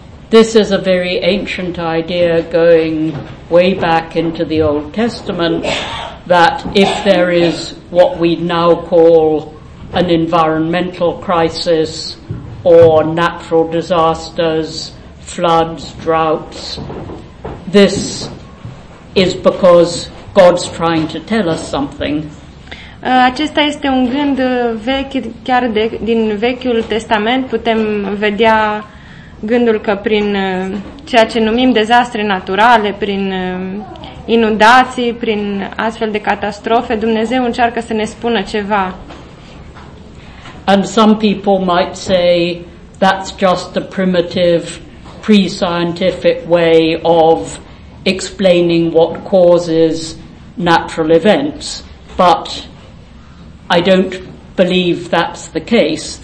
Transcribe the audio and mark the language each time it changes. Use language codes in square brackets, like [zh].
[en] This is a very ancient idea going way back into the Old Testament that if there is what we now call an environmental crisis or natural disasters, floods, droughts, this is because God's trying to tell us something. [ro] Acesta este un gând vechi, chiar de, din Vechiul Testament putem vedea gândul că prin ceea ce numim dezastre naturale, prin inundații, prin astfel de catastrofe, Dumnezeu încearcă să ne spună ceva. [en] And some people might say that's just a primitive pre-scientific way of explaining what causes natural events, but I don't believe that's the case.